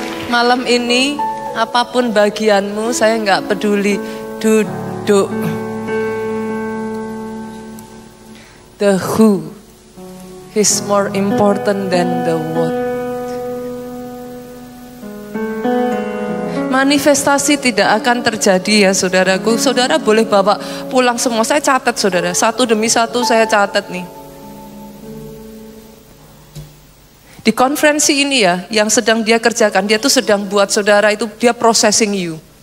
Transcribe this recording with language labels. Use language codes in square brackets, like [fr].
[id] Malam ini apapun bagianmu, saya enggak peduli, duduk. [en] The who is more important than the what. [id] Manifestasi tidak akan terjadi ya saudaraku. Saudara boleh bawa pulang semua, saya catat saudara, satu demi satu saya catat nih. Di konferensi ini ya, yang sedang dia kerjakan, dia tuh sedang buat saudara itu, dia [en] processing you.